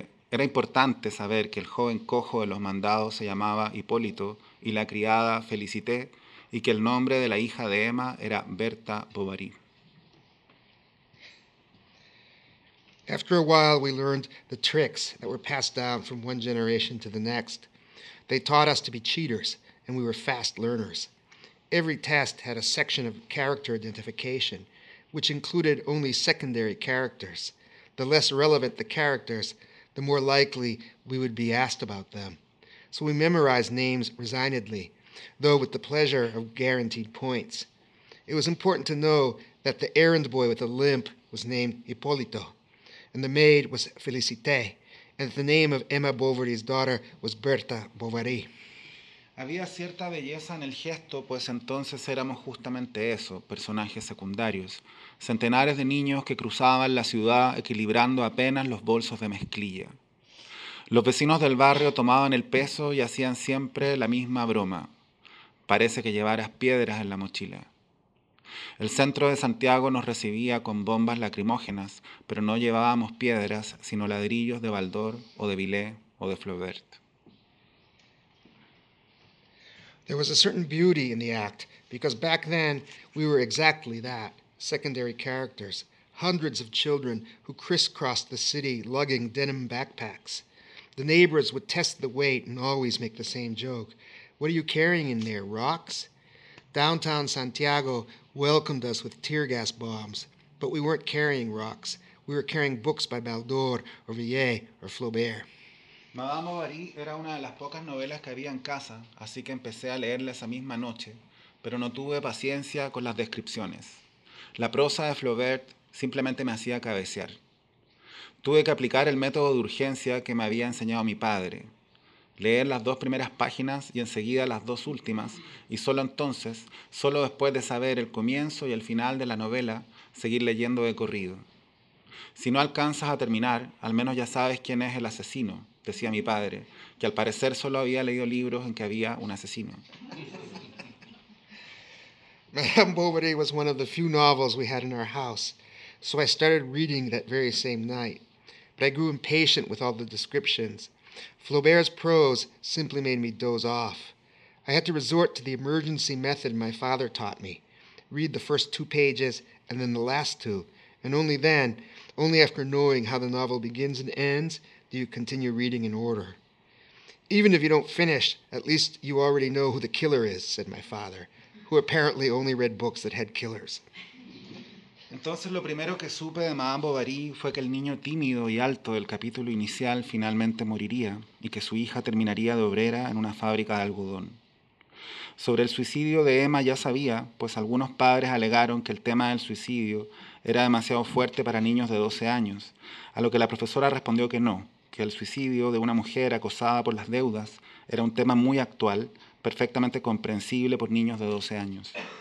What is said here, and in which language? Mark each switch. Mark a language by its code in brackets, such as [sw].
[es] Era importante saber que el joven cojo de los mandados se llamaba Hipólito y la criada Felicité y que el nombre de la hija de Emma era Berta Bovary. [en] After a while, we learned the tricks that were passed down from one generation to the next. They taught us to be cheaters, and we were fast learners. Every test had a section of character identification, which included only secondary characters. The less relevant the characters, the more likely we would be asked about them. So we memorized names resignedly, though with the pleasure of guaranteed points. It was important to know that the errand boy with a limp was named Hippolyto, and the maid was Félicité, and that the name of Emma Bovary's daughter was Berta Bovary. [es] Había cierta belleza en el gesto, pues entonces éramos justamente eso, personajes secundarios, centenares de niños que cruzaban la ciudad equilibrando apenas los bolsos de mezclilla. Los vecinos del barrio tomaban el peso y hacían siempre la misma broma. Parece que llevaras piedras en la mochila. El centro de Santiago nos recibía con bombas lacrimógenas, pero no llevábamos piedras, sino ladrillos de Baldor o de Villet o de Flaubert. [en] There was a certain beauty in the act, because back then we were exactly that, secondary characters, hundreds of children who crisscrossed the city lugging denim backpacks. The neighbors would test the weight and always make the same joke. What are you carrying in there, rocks? Downtown Santiago welcomed us with tear gas bombs, but we weren't carrying rocks. We were carrying books by Baldor or Villet or Flaubert. [es] Madame Bovary era una de las pocas novelas que había en casa, así que empecé a leerla esa misma noche, pero no tuve paciencia con las descripciones. La prosa de Flaubert simplemente me hacía cabecear. Tuve que aplicar el método de urgencia que me había enseñado mi padre. Leer las dos primeras páginas y enseguida las dos últimas, y solo entonces, solo después de saber el comienzo y el final de la novela, seguir leyendo de corrido. Si no alcanzas a terminar, al menos ya sabes quién es el asesino, decía mi padre, que al parecer solo había leído libros en que había un asesino. [en] Madame Bovary was one of the few novels we had in our house, so I started reading that very same night. But I grew impatient with all the descriptions. Flaubert's prose simply made me doze off. I had to resort to the emergency method my father taught me, read the first two pages and then the last two, and only then, only after knowing how the novel begins and ends, do you continue reading in order. Even if you don't finish, at least you already know who the killer is, said my father, who apparently only read books that had killers. [es] Entonces lo primero que supe de Madame Bovary fue que el niño tímido y alto del capítulo inicial finalmente moriría y que su hija terminaría de obrera en una fábrica de algodón. Sobre el suicidio de Emma ya sabía, pues algunos padres alegaron que el tema del suicidio era demasiado fuerte para niños de 12 años, a lo que la profesora respondió que no, que el suicidio de una mujer acosada por las deudas era un tema muy actual, perfectamente comprensible por niños de 12 años.